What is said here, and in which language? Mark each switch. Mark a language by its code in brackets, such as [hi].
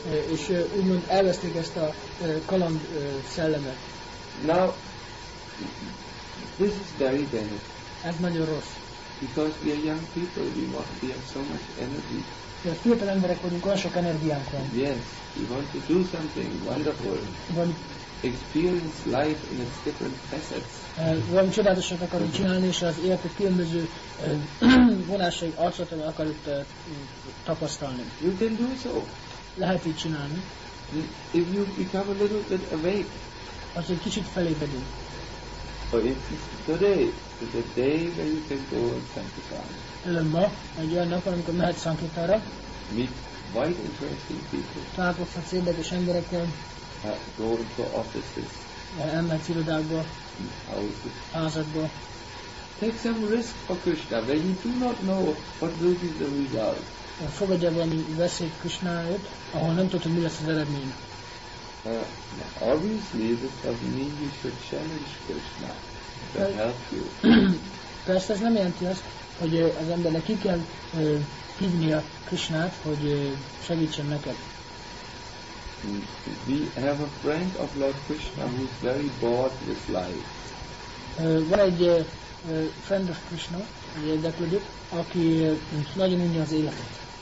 [hu] És úgymond elveszték ezt a kaland szellemet. [en] Now, this is very bad. [hu] Ez nagyon rossz. [en] Because we are young people, we have so much energy. [hu] Mert fiatal emberek vagyunk, olyan sok energiánk van. [en] Yes, we want to do something wonderful. Experience life in its different facets. [hu] Valami csodálatosat akarunk csinálni, és az életet különböző vonásai, arcolatai akarunk tapasztalni. [en] You can do so. [hu] Lehet így csinálni. [en] If you become a little bit awake. [hu] Az egy kicsit felébredünk. [en] For instance, today is a day when you can go and sankirtan. [hu] Ma egy olyan nap, amikor mehet Sankirtanra. [en] Meet quite interesting people. [hu] Találkozhatsz érdekes emberekkel. [en] Go into offices. [hu] Elmehetsz irodákba. [en] Houses. [hu] Házadba. [en] Take some risk for Krishna, where you do not know what will be the result. [hu] Fogadja valami veszélyt Krishnáért, ahol nem tudod, mi lesz az eredmény. [en] Obviously, this doesn't mean you should challenge Krishna to help you. [hu] Persze ez nem jelenti azt, hogy az embernek ki kell hívni a Krishnát, hogy segítsen neked. [en] We have a friend of Lord Krishna who is very bored with life. [hu] Van egy [en] friend of Krishna, [hu] egy érdeklődik, aki nagyon unja az életet.